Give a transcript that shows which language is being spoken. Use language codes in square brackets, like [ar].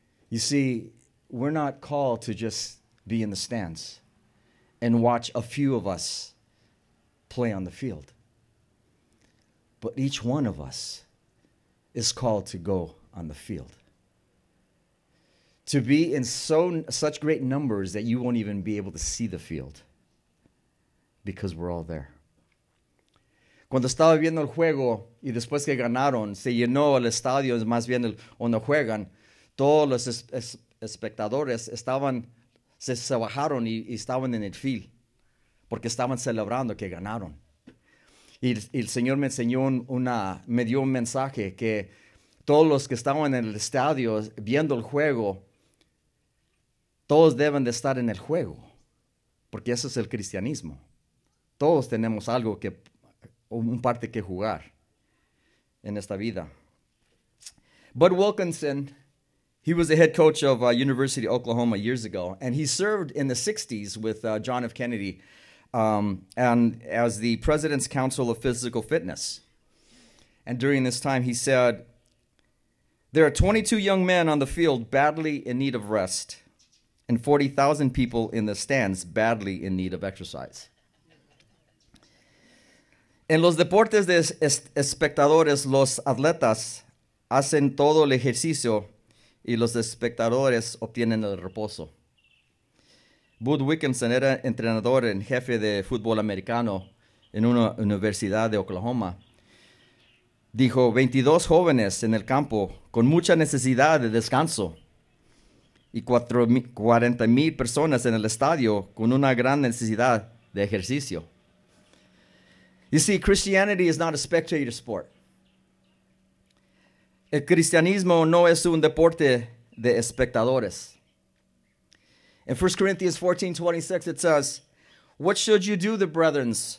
[en] You see, we're not called to just be in the stands and watch a few of us play on the field. But each one of us is called to go on the field. To be in such great numbers that you won't even be able to see the field because we're all there. [es] Cuando estaba viendo el juego y después que ganaron, se llenó el estadio, es más bien donde juegan, todos los espectadores estaban, se bajaron y estaban en el field porque estaban celebrando que ganaron. Y el Señor me enseñó me dio un mensaje que todos los que estaban en el estadio viendo el juego, todos deben de estar en el juego, porque eso es el cristianismo. Todos tenemos algo que, un parte que jugar en esta vida. [en] Bud Wilkinson, he was the head coach of University of Oklahoma years ago, and he served in the 60s with John F. Kennedy, and as the President's Council of Physical Fitness. And during this time, he said, "There are 22 young men on the field badly in need of rest and 40,000 people in the stands badly in need of exercise." [es] En los deportes de espectadores, los atletas hacen todo el ejercicio y los espectadores obtienen el reposo. Bud Wilkinson era entrenador en jefe de fútbol americano en una universidad de Oklahoma. Dijo, 22 jóvenes en el campo con mucha necesidad de descanso y 40,000 personas en el estadio con una gran necesidad de ejercicio. [en] You see, Christianity is not a spectator sport. [es] El cristianismo no es un deporte de espectadores. [en] In 1 Corinthians 14:26, it says, "What should you do, the brethren,